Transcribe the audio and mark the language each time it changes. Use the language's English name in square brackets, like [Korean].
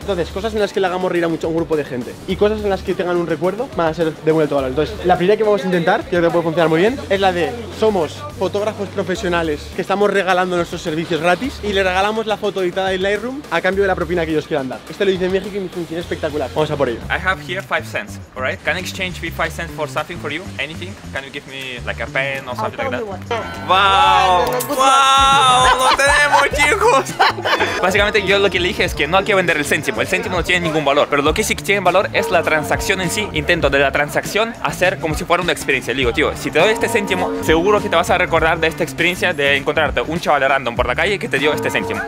[Spanish] Entonces, cosas en las que le hagamos reír a mucho a un grupo de gente y cosas en las que tengan un recuerdo van a ser de vuelto a valor. Entonces, la primera que vamos a intentar, que creo que puede funcionar muy bien, es la de somos fotógrafos profesionales que estamos regalando nuestros servicios gratis y le regalamos la foto editada en Lightroom a cambio de la propina que ellos quieran dar. Este lo hice en México y me funciona espectacular. Vamos a por ello. [English] I have here 5 cents, alright? Can I exchange me 5 cents for something for you? Anything? Can you give me like a pen or something like that? [Spanish] Wow, wow, lo tenemos, chicos. Básicamente yo lo que le dije es que no hay que vender el céntimo no tiene ningún valor, pero lo que sí que tiene valor es la transacción en sí. Intento de la transacción hacer como si fuera una experiencia. Le digo, tío, si te doy este céntimo, seguro que te vas a recordar de esta experiencia de encontrarte un chaval random por la calle que te dio este céntimo.